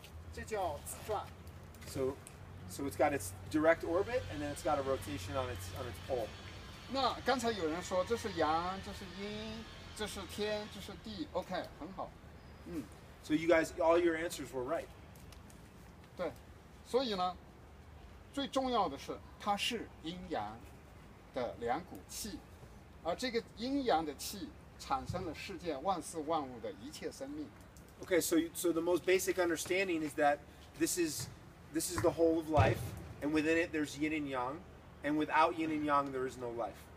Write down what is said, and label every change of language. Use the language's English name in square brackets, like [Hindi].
[English] So it's got its direct orbit and then it's got a rotation on its pole. [Chinese] 那刚才有人说这是阳,这是阴,这是天,这是地, okay, 很好。 [English] So you guys, all your answers were right. [Chinese] 对,所以呢, 最重要的是它是阴阳的两股气，而这个阴阳的气产生了世界万事万物的一切生命。Okay, [English] so the most basic understanding is that this is the whole of life, and within it there's yin and yang, and without yin and yang there is no life.